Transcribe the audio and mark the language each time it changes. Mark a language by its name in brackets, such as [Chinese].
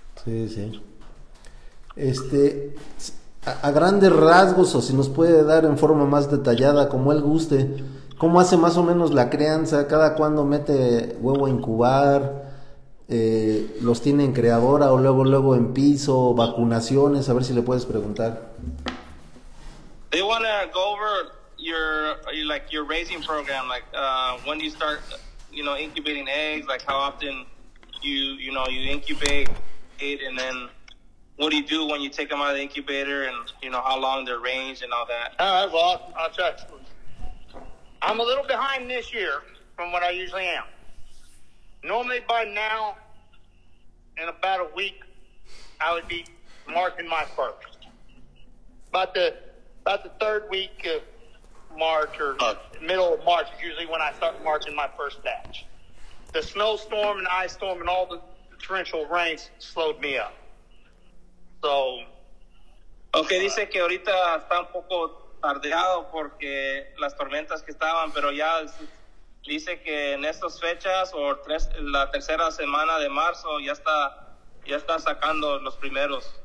[Spanish] Sí, sí. A grandes rasgos, o si nos puede dar en forma más detallada, como él guste, ¿cómo hace más o menos la crianza? ¿Cada cuándo mete huevo a incubar? ¿Los tiene en creadora o luego en piso? ¿Vacunaciones? A ver si le puedes preguntar. [English] They want to go over your raising program, when do you start, incubating eggs, how often you incubate it, and then what do you do when you take them out of the incubator, and how long their range and all that. All right, well, I'll check. I'm a little behind this year from what I usually am. Normally by now, in about a week, I would be marking my first. About the third week of March or middle of March is usually when I start marking my first batch. The snowstorm and ice storm and all the torrential rains slowed me up. So, [Spanish] okay, dice que ahorita está un poco tardeado porque las tormentas que estaban, pero ya dice que en estas fechas o la tercera semana de marzo ya está sacando los primeros.